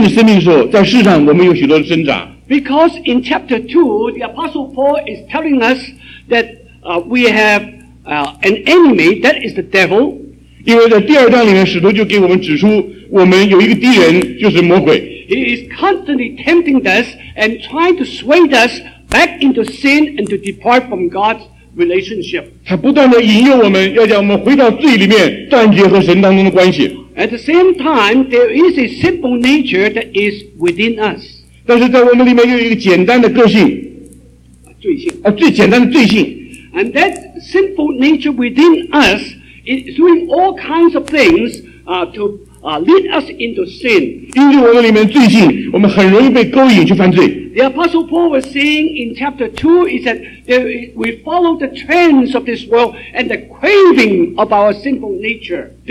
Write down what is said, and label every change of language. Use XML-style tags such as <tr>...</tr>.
<zh>当我们要活出这个改变的生命的时候，在世上我们有许多的挣扎。</zh> <en>Because in chapter 2, the Apostle Paul is telling us that we have an enemy, that is the devil.</en> <zh>因为在第二章里面，使徒就给我们指出，我们有一个敌人，就是魔鬼。</zh> <en>He is constantly tempting us and trying to sway us back into sin and to depart from God's relationship.</en> <zh>他不断地引诱我们，要将我们回到罪里面，断绝和神当中的关系。</zh> <en>At the same time, there is a simple nature that is within us.</en> <zh>但是在我们里面又有一个简单的个性，罪性，最简单的罪性。</zh> <en>And that simple nature within us is doing all kinds of things to lead us into sin.</en> <zh>因为我们里面罪性，我们很容易被勾引去犯罪。</zh> <en>The Apostle Paul was saying in chapter 2, he said that we follow the trends of this world and the craving of our sinful nature.</en>